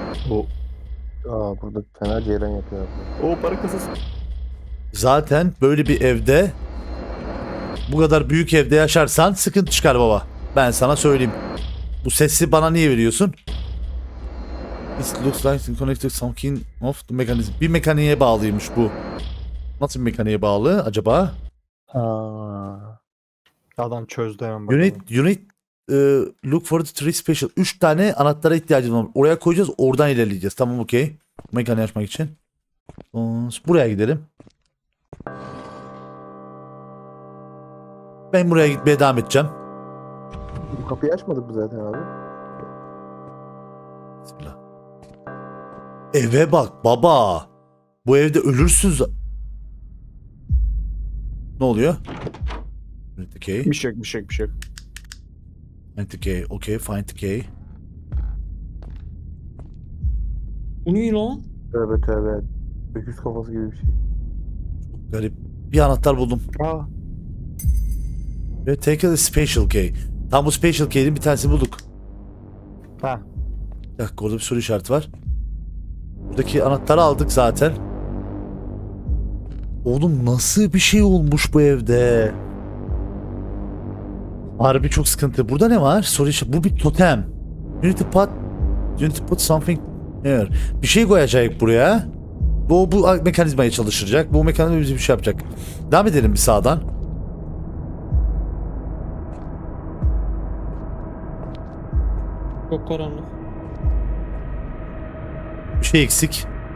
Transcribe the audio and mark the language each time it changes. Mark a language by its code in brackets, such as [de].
[tr] Bu. Aa, burada fena ceyren yapıyor. Oo, para kasası. Zaten böyle bir evde, bu kadar büyük evde yaşarsan sıkıntı çıkar baba. Ben sana söyleyeyim. Bu sesi bana niye veriyorsun? [en] It looks like it's connected to something of the mechanism. [tr] Bir mekaniğe bağlıymış bu. Nasıl bir mekaniğe bağlı acaba? Adam çözdü hemen bakalım. [en] Unit look for the three special. [tr] 3 tane anahtara ihtiyacım var. Oraya koyacağız, oradan ilerleyeceğiz. Tamam, okey. Mekaniği açmak için. Buraya gidelim. Ben buraya gitmeye devam edeceğim. Bu kapıyı açmadık biz zaten abi. Bismillah. Eve bak baba. Bu evde ölürsünüz. Ne oluyor? [en] Find the key. [tr] Bir şey. [en] Find the key. Okay, find the key. [tr] Bu ne lan? Evet evet. Öküz kafası gibi bir şey. Çok garip. Bir anahtar buldum. Aa. [en] Ve take a special key. [tr] Tam bu special key'in bir tanesini bulduk. Ha. Bir dakika, orada bir soru işareti var. Buradaki anahtarı aldık zaten. Oğlum nasıl bir şey olmuş bu evde? Harbi çok sıkıntı. Burada ne var? Soru işareti. Bu bir totem. [en] You need to put something here. [tr] Bir şey koyacak buraya. Bu mekanizmaya çalışacak. Bu mekanizma bizi bir şey yapacak. Devam edelim bir sağdan. Çok karanlık. Bir şey eksik.